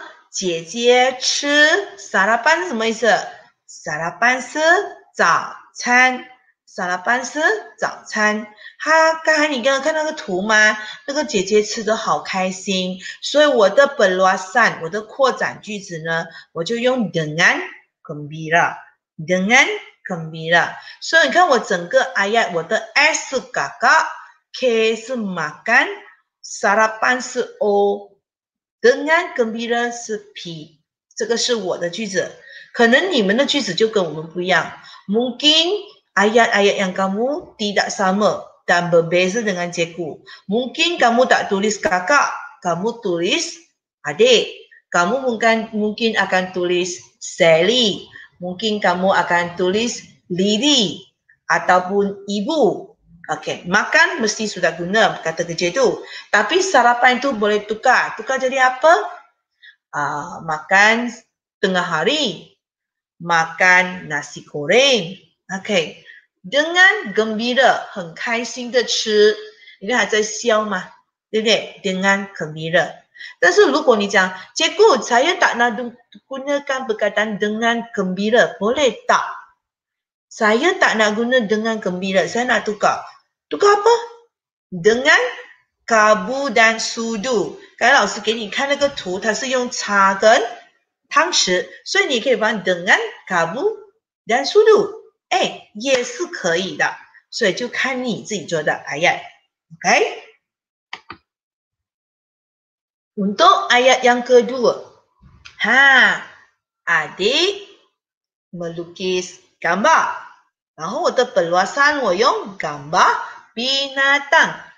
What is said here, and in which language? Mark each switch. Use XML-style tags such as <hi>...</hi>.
<zh>姐姐吃 sarapan 是什么意思?Sarapan 是早餐. Sarapan 是早餐.刚才你刚刚看那个图吗? 那个姐姐吃得好开心.所以我的本罗散, 我的扩展句子呢, 我就用</zh> <ms>dengan gembira. Dengan gembira.</ms> <zh>所以你看我整个 ayat, 我的 S 是kakak, K 是makan, sarapan 是 O,</zh> <ms>dengan gembira</ms> <zh>是 P. 这个是我的句子. 可能你们的句子就跟我们不一样.</zh> <ms>Mungkin ayat-ayat yang kamu tidak sama dan berbeza dengan cikgu. Mungkin kamu tak tulis kakak, kamu tulis adik. Kamu mungkin akan tulis Sally. Mungkin kamu akan tulis Lily ataupun ibu. Okay, makan mesti sudah guna kata kerja itu. Tapi sarapan itu boleh tukar. Tukar jadi apa? Makan tengah hari. Makan nasi goreng. Okay. Dengan gembira,</ms> <zh>很开心的吃. 你看还在笑吗?对不对?</zh> <ms>Dengan gembira.</ms> <zh>但是如果你讲, 结果</zh> <ms>saya tak nak gunakan perkataan dengan gembira. Boleh tak? Saya tak nak guna dengan gembira. Saya nak tukar. Tukar apa? Dengan kabu dan sudu.</ms> <zh>刚才老师给你看那个图, 它是用叉跟汤匙. 所以你可以放</zh> <ms>dengan kabu dan sudu.</ms> <zh>哎, 也是可以的. 所以就看你自己做的 ayat. OK?</zh> <ms>Untuk ayat yang kedua. Ha, adik melukis gambar.</ms> <zh>然后我的本罗山, 我用</zh> <ms>gambar binatang.</ms>